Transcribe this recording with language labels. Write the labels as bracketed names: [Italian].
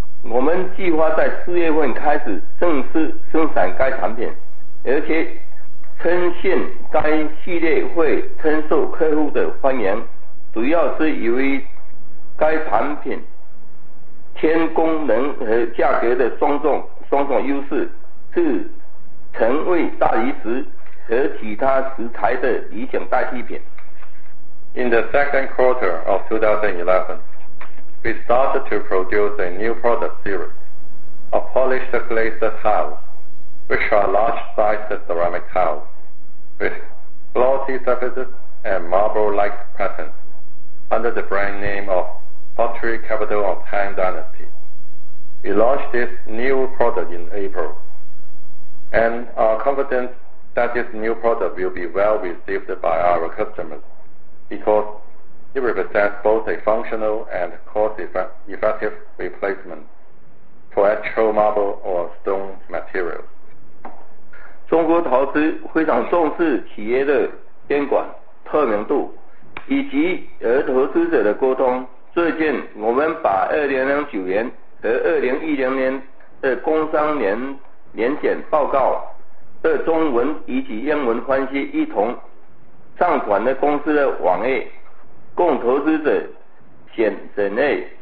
[Chinese] 我们计划在四月份开始正式生产该产品，而且称现该系列会深受客户的欢迎，主要是由于该产品天功能和价格的双重优势，是成为大理石和其他石材的理想代替品。 [English] In the second quarter of 2011, we started to produce a new product series of polished glazed tiles, which are large-sized ceramic tiles with glossy surfaces and marble-like patterns under the brand name of Pottery Capital of Tang Dynasty. We launched this new product in April and are confident that this new product will be well received by our customers because it represents both a functional and cost-effective replacement for actual marble or stone materials. [Chinese] 中国陶瓷非常重视企业的监管、透明度以及和投资者的沟通。最近我们把2009年和2010年的工商年年检报告的中文以及英文分析一同上传了公司的网页，供投资者审阅。